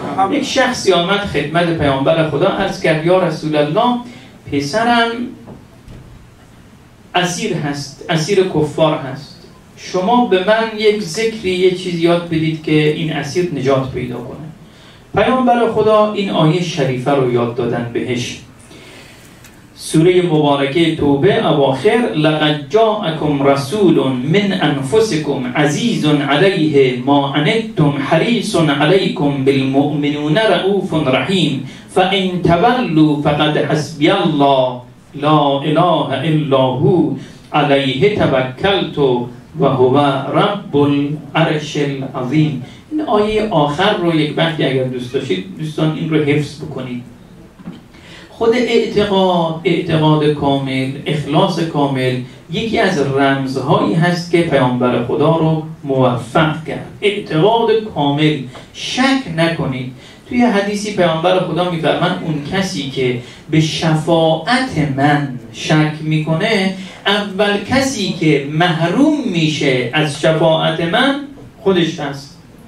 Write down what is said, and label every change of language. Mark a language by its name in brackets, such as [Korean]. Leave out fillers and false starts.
[Persian] یک شخصی آمد خدمت پیامبر خدا عرض کرد یا رسول الله پسرم اسیر هست، اسیر کفار هست، شما به من یک ذکری یه چیز یاد بدید که این اسیر نجات پیدا کنه. پیامبر خدا این آیه شریفه رو یاد دادن بهش، سوره مبارکه توبه اواخر. [Arabic] لقد جاءكم رسول من انفسكم عزيز عليه ما عنتم حريص عليكم بالمؤمنون رؤوف رحيم فان تولوا فقد حسبي الله لا اله الا هو عليه توكلت وهو رب العرش العظيم. [Persian] این آیه آخر رو یک وقتی اگر دوست داشتید دوستان این رو حفظ بکنید. خود اعتقاد کامل، اخلاص کامل یکی از رمزهایی هست که پیامبر خدا رو موفق کرد. اعتقاد کامل، شک نکنید. توی حدیثی پیامبر خدا میفرمان اون کسی که به شفاعت من شک میکنه، اول کسی که محروم میشه از شفاعت من خودش هست.